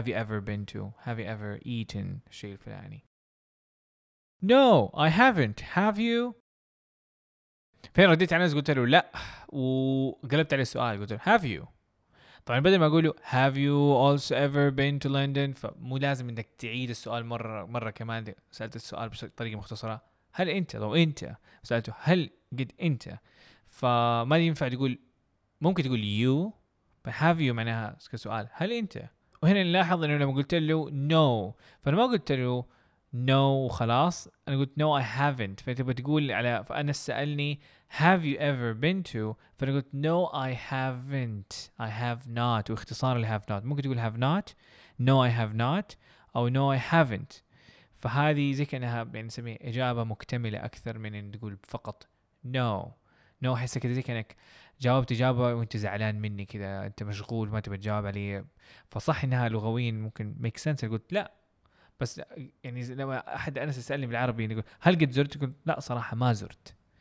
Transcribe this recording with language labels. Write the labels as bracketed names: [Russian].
[English] have you ever been to، have you ever eaten [Arabic] شيء الفلاني. [English] no I haven't، have you. [Arabic] فين رديت على ناس قلت له لا، وقلبت على السؤال قلت له [English] have you. [Arabic] طبعا بدل ما اقول له [English] have you also ever been to London، [Arabic] فمو لازم انك تعيد السؤال مره كمان. سالت السؤال بطريقه مختصره، هل انت، لو انت سالته هل قد انت، فما ينفع تقول، ممكن تقول you، [English] but have you [Arabic] معناها سؤال هل انت. وهنا نلاحظ انه لما قلت له no، فانا ما قلت له no وخلاص، انا قلت [English] no I haven't. [Arabic] فانت بتقول على، فانا سالني [English] have you ever been to، [Arabic] فانا قلت [English] no I haven't I have not، [Arabic] واختصار ال [English] have not. [Arabic] ممكن تقول [English] have not، no I have not، [Arabic] او [English] no I haven't. [Arabic] فهذه زي كانها بنسميها اجابه مكتمله اكثر من ان تقول فقط no. no احس كذا زي كانك جاوبت اجابه وانت زعلان مني كذا، انت مشغول ما تبي تجاوب علي. فصح انها لغويا ممكن [English] make sense، [Arabic] قلت لا، بس يعني لما احد انس يسالني بالعربي يقول هل قد زرت، يقول لا صراحه ما زرت.